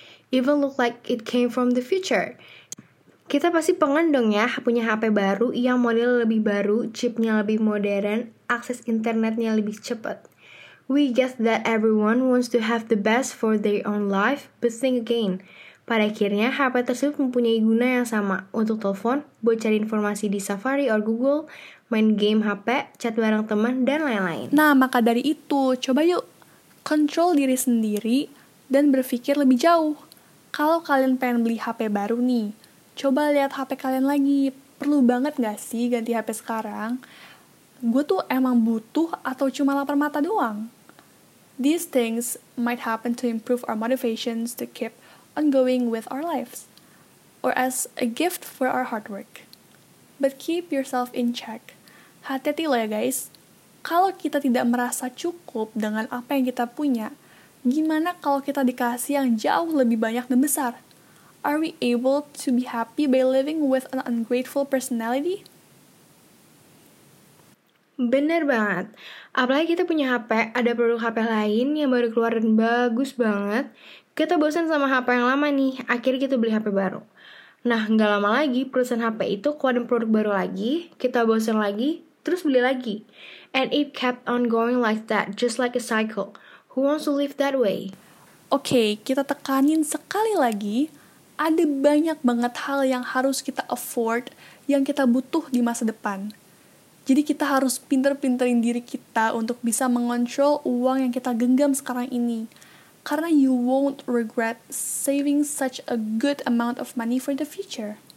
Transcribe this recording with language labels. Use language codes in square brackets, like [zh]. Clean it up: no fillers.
[en] Even look like it came from the future. [id] Kita pasti pengen dong ya punya HP baru yang model lebih baru, chipnya lebih modern, akses internetnya lebih cepat. [en] We guess that everyone wants to have the best for their own life, but think again. [id] Pada akhirnya, HP tersebut mempunyai guna yang sama. Untuk telepon, buat cari informasi di Safari or Google, main game HP, chat bareng teman, dan lain-lain. Nah, maka dari itu, coba yuk kontrol diri sendiri dan berpikir lebih jauh. Kalau kalian pengen beli HP baru nih, coba lihat HP kalian lagi. Perlu banget gak sih ganti HP sekarang? Gue tuh emang butuh atau cuma lapar mata doang? [en] These things might happen to improve our motivations to keep ongoing with our lives, or as a gift for our hard work. But keep yourself in check. [id] Hati-hati lo ya [en] guys. [id] Kalau kita tidak merasa cukup dengan apa yang kita punya, gimana kalau kita dikasih yang jauh lebih banyak dan besar? [en] Are we able to be happy by living with an ungrateful personality? [id] Bener banget. Apalagi kita punya HP, ada produk HP lain yang baru keluar dan bagus banget. Kita bosan sama HP yang lama nih, akhirnya kita beli HP baru. Nah, gak lama lagi perusahaan HP itu keluarin produk baru lagi, kita bosan lagi, terus beli lagi. [en] And it kept on going like that, just like a cycle. Who wants to live that way? [id] Okay, kita tekanin sekali lagi, ada banyak banget hal yang harus kita afford, yang kita butuh di masa depan. Jadi kita harus pinter-pinterin diri kita untuk bisa mengontrol uang yang kita genggam sekarang ini. Karena [en] you won't regret saving such a good amount of money for the future.